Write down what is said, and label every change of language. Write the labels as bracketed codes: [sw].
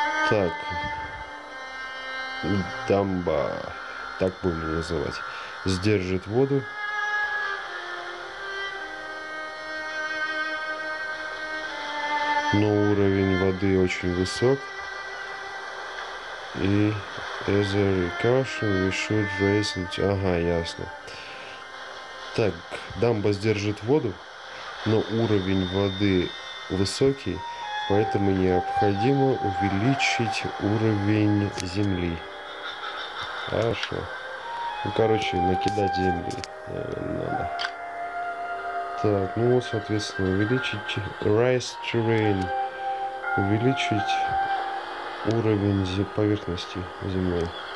[ru] Так, дамба, так будем называть, сдержит воду. Но уровень воды очень высок. И [en] as a precaution we should raise it. [ru] Ага, ясно. Так, дамба сдержит воду, но уровень воды высокий. Поэтому необходимо увеличить уровень земли. Хорошо. Ну, короче, накидать земли надо. Так, ну вот, соответственно, увеличить [en] rise terrain, [ru] увеличить уровень поверхности земной.